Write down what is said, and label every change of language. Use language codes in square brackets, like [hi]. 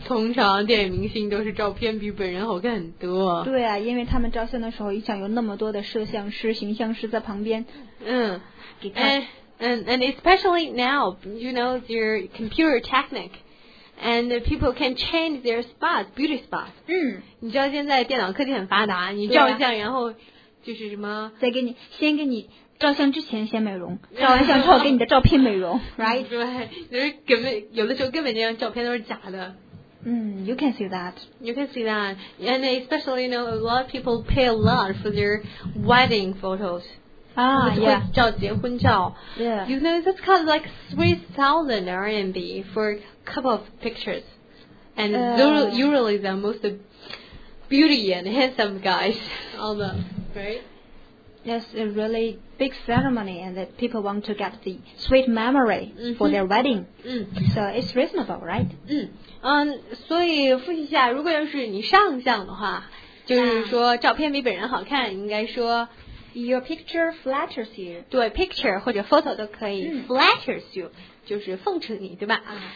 [zh] 通常电影明星都是照片比本人好看很多对啊因为他们照相的时候一想有那么多的摄像师形象师在旁边嗯给他 [en] And especially now, you know, their computer technique, and people can change their spot, beauty spot. 嗯， [zh] 你知道现在电脑科技很发达，你照相、啊、然后就是什么？再给你先给你照相之前先美容，照完相之后给你的照片美容，right？对，就是根本有的时候根本这张照片都是假的。 [en] 嗯 ，you can see that. You can see that, and especially you know, a lot of people pay a lot for their wedding photos. Ah, yeah. [zh] 照结婚照 [en] Yeah. You know, that's kind of like 3,000 RMB for a couple of pictures. And usually the most beauty and handsome guys on them, right? Yes, a really big ceremony and that people want to get the sweet memory、 mm-hmm. for their wedding.、 Mm. So it's reasonable, right? [zh] 嗯，所以复习一下，如果要是你上相的话，就是说照片比本人好看，应该说 [en] Your picture flatters you. [zh] 对 ，picture 或者 photo 都可以、嗯、 flatters you，就是奉承你，对吧？啊、